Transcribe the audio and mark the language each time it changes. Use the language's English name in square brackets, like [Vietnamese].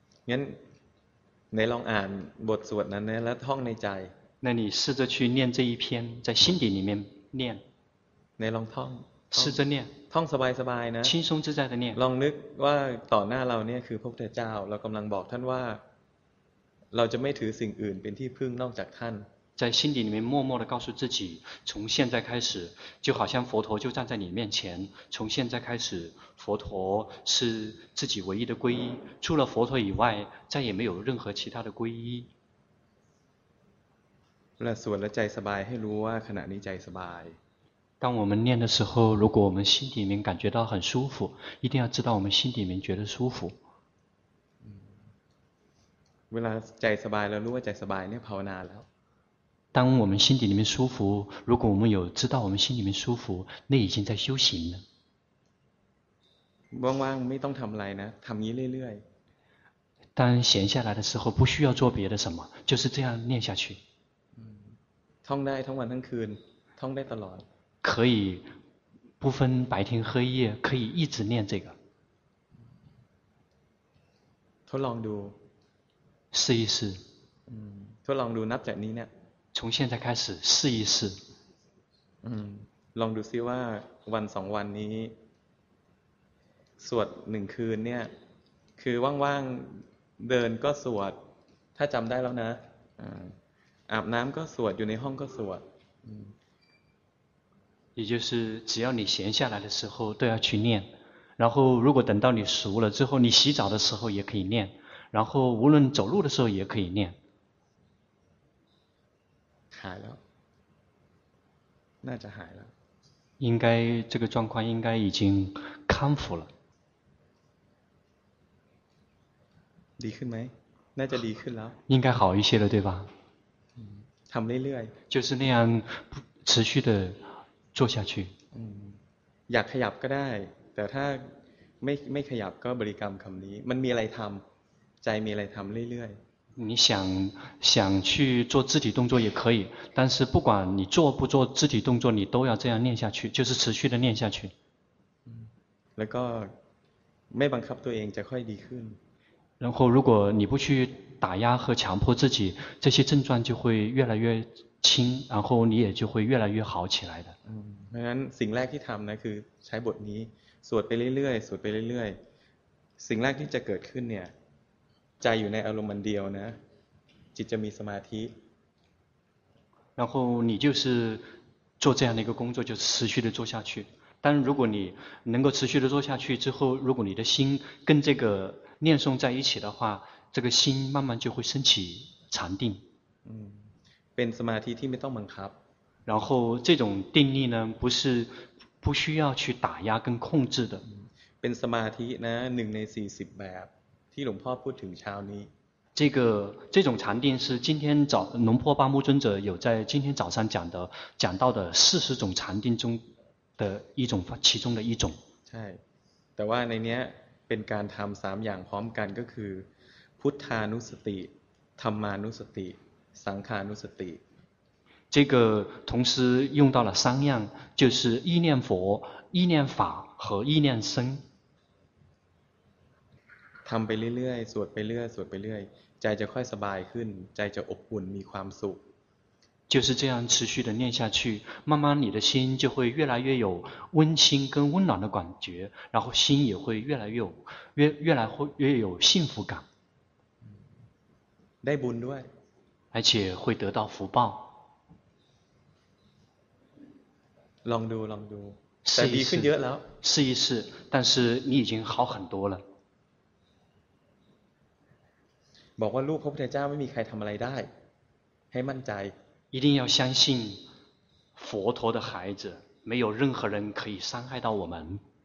[Thai] งั้นไหนลองอ่านบทสวดนั้นแล้วท่องในใจ [Chinese] 那你试着去念这一篇，在心底里面念。 [Thai] ในลองท่อง [Chinese] 试着念。 [Thai] ท่องสบายสบายนะ [Chinese] 轻松自在的念。 [Thai] ลองนึกว่าต่อหน้าเราเนี่ยคือพระพุทธเจ้าเรากำลังบอกท่านว่าเราจะไม่ถือสิ่งอื่นเป็นที่พึ่งนอกจากท่าน [Chinese] 在心底里面默默地告诉自己，从现在开始，就好像佛陀就站在你面前。从现在开始，佛陀是自己唯一的皈依，除了佛陀以外，再也没有任何其他的皈依。 [Thai] 那สวดแล้วใจสบายให้รู้ว่าขณะนี้ใจสบาย。 [Chinese] 当我们念的时候，如果我们心底里面感觉到很舒服，一定要知道我们心底里面觉得舒服。 [Thai] เวลาใจสบายแล้วรู้ว่าใจสบายเนี่ยภาวนาแล้ว。 [Chinese] 当我们心底里面舒服，如果我们有知道我们心里面舒服，那已经在修行了。 [Thai] ว่างๆไม่ต้องทำอะไรนะทำนี้เรื่อย [Chinese] ๆ当闲下来的时候不需要做别的什么就是这样念下去 [Thai] ท่องได้ทั้งวันทั้งคืนท่องได้ตลอด [Chinese] 可以不分白天黑夜可以一直念这个 [Thai] ทดลองดู [Chinese] 试一试 [Thai] ทดลองดูนับจากนี้เนี่ย [Chinese] 从现在开始试一试 [Thai] ลองดูซิว่าวันสองวันนี้สวดหนึ่งคืนเนี่ยคือว่างๆเดินก็สวดถ้าจำได้แล้วนะอาบน้ำก็สวดอยู่ในห้องก็สวด [Chinese] 也就是只要你闲下来的时候都要去念然后如果等到你熟了之后你洗澡的时候也可以念然后无论走路的时候也可以念 [Thai] หายแล้วน่าจะหายแล้ว [Chinese] 应该这个状况应该已经康复了 [Thai] ดีขึ้นไหมน่าจะดีขึ้นแล้ว [Chinese] 应该好一些了对吧 [Thai] ทำเรื่อย [Chinese] ๆ就是那样持续的做下去 [Thai] อยากขยับก็ได้แต่ถ้าไม่ขยับก็บริกรรมคำนี้มันมีอะไรทำใจมีอะไรทำเรื่อยๆ [Chinese] 你想去做肢体动作也可以，但是不管你做不做肢体动作，你都要这样念下去，就是持续的念下去。 [Thai] 然后，ไม่บังคับตัวเองจะค่อยดีขึ้น。 [Chinese] 然后，如果你不去打压和强迫自己，这些症状就会越来越轻，然后你也就会越来越好起来的。 [Thai] เพราะฉะนั้นสิ่งแรกที่ทำนะคือใช้บทนี้สวดไปเรื่อยๆสวดไปเรื่อยๆสิ่งแรกที่จะเกิดขึ้นเนี่ยใจอยู่ในอารมณ์เดียวนะจิตจะมีสมาธิ [Chinese] 然后你就是做这样的一个工作就持续的做下去但如果你能够持续的做下去之后如果你的心跟这个念诵在一起的话这个心慢慢就会升起禅定 [Thai] เป็นสมาธิที่ไม่ต้องบังคับ [Chinese] 然后这种定力呢不是不需要去打压跟控制的 [Thai] เป็นสมาธินะ1ใน40แบบที่หลวงพ่อพูดถึงเช้านี้ [Chinese] 这种禅定是今天早龙婆巴木尊者有在今天早上讲到的四十种禅定中的一种其中的一种 [Thai] ใช่แต่ว่าในนี้เป็นการทำสามอย่างพร้อมกันก็คือพุทธานุสติธรรมานุสติสังขานุสติ [Chinese] 这个同时用到了三样就是意念佛意念法和意念僧 [Thai] ทำไปเรื่อยๆสวดไปเรื่อยสวดไปเรื่อยใจจะค่อยสบายขึ้นใจจะอบอุ่นมีความสุข [Chinese] 就是这样持续的念下去慢慢你的心就会越来越有温馨跟温暖的感觉然后心也会越来越有 越来越有幸福感 [Thai] ได้บุญด้วย [Chinese] 而且会得到福报 [Thai] ลองดูแต่ดีขึ้นเยอะแล้ว [Chinese] 试一试但是你已经好很多了 [Thai] บอกว่าลูกพระพุทธเจ้าไม่มีใครทำอะไรได้ให้มั่นใจ [Chinese] 一定要相信佛陀的孩子没有任何人可以伤害到我们